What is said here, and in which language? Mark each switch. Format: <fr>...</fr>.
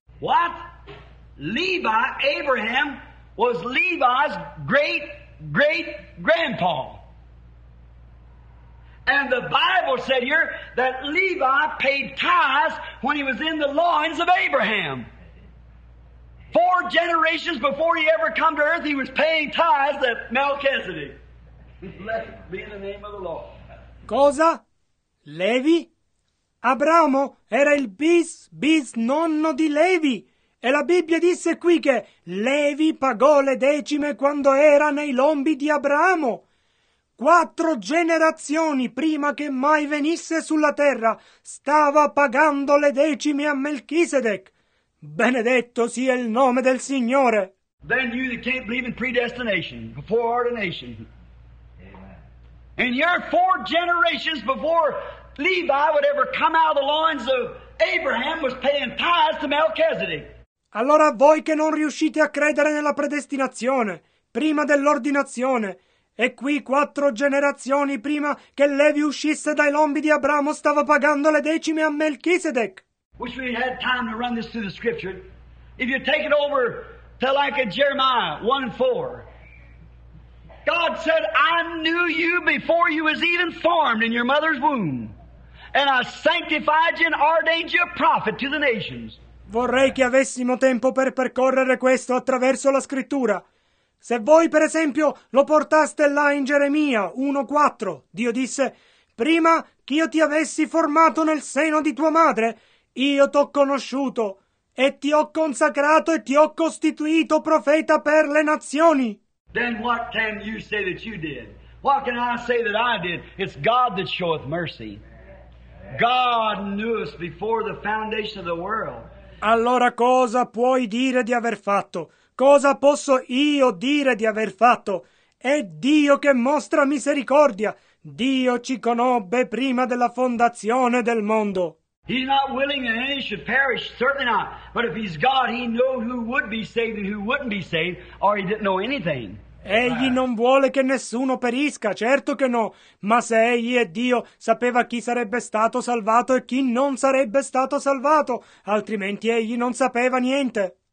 <en>What? Levi, Abraham, was Levi's great-great-grandpa. And the Bible said here that Levi paid tithes when he was in the loins of Abraham. Four generations before he ever come to earth, he was paying tithes to Melchizedek. Blessed be in the name of the Lord.</en> <it>Cosa? Levi? Abramo era il bis-bis-nonno di Levi. E la Bibbia disse qui che Levi pagò le decime quando era nei lombi di Abramo. Quattro generazioni prima che mai venisse sulla terra stava pagando le decime a Melchisedec. Benedetto sia il nome del Signore.</it> <en>Then you that can't believe in predestination, before ordination. And you're four generations before Levi would ever come out of the loins of Abraham was paying tithes to Melchisedec.</en> <it>Allora voi che non riuscite a credere nella predestinazione, prima dell'ordinazione, e qui quattro generazioni prima che Levi uscisse dai lombi di Abramo stava pagando le decime a Melchisedec.</it> <en>Wish we had time to run this through the scripture. If you take it over to like a Jeremiah 1:4. God said, I knew you before you was even formed in your mother's womb. and I sanctified you and ordained you a prophet to the nations.</en> <it>Vorrei che avessimo tempo per percorrere questo attraverso la scrittura. Se voi, per esempio, lo portaste là in Geremia 1:4, Dio disse: prima che io ti avessi formato nel seno di tua madre, io t'ho conosciuto e ti ho consacrato e ti ho costituito profeta per le nazioni.</it> <en>Then what can you say that you did? What can I say that I did? It's God that showeth mercy. God knew us before the foundation of the world.</en> <it>Allora cosa puoi dire di aver fatto? Cosa posso io dire di aver fatto? È Dio che mostra misericordia. Dio ci conobbe prima della fondazione del mondo.</it> <en>He's not willing that any should perish, certainly not. But if he's God, he knew who would be saved and who wouldn't be saved, or he didn't know anything.</en> <it>Egli non vuole che nessuno perisca, certo che no. Ma se egli è Dio, sapeva chi sarebbe stato salvato e chi non sarebbe stato salvato, altrimenti egli non sapeva niente.</it>